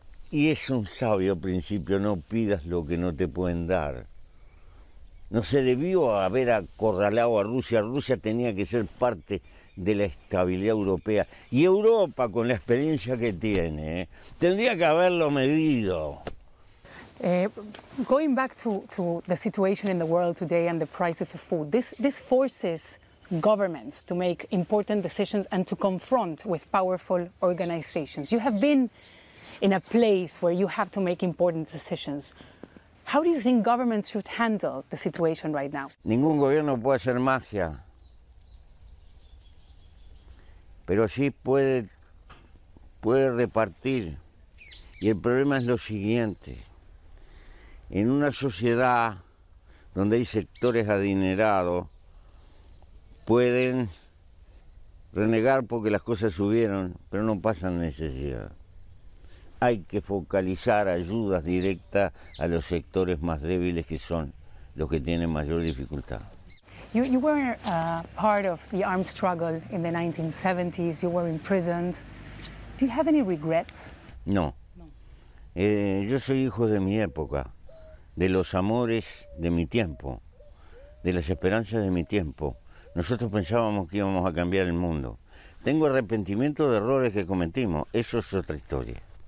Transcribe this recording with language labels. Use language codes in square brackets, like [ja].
[es] Y es un sabio principio, no pidas lo que no te pueden dar. No se debió haber acorralado a Rusia. Rusia tenía que ser parte de la estabilidad europea. Y Europa, con la experiencia que tiene, tendría que haberlo medido. [en] Going back to the situation in the world today and the prices of food, this forces governments to make important decisions and to confront with powerful organizations. You have been in a place where you have to make important decisions. How do you think governments should handle the situation right now? [es] Ningún gobierno puede hacer magia, pero sí puede repartir. Y el problema es lo siguiente. En una sociedad donde hay sectores adinerados, pueden renegar porque las cosas subieron, pero no pasan necesidad. Hay que focalizar ayudas directas a los sectores más débiles, que son los que tienen mayor dificultad. [en] You were part of the armed struggle in the 1970s, you were imprisoned. Do you have any regrets? [es] No. Yo soy hijo de mi época, de los amores de mi tiempo, de las esperanzas de mi tiempo. Nosotros pensábamos que íbamos a cambiar el mundo. Tengo arrepentimiento de errores que cometimos, eso es otra historia.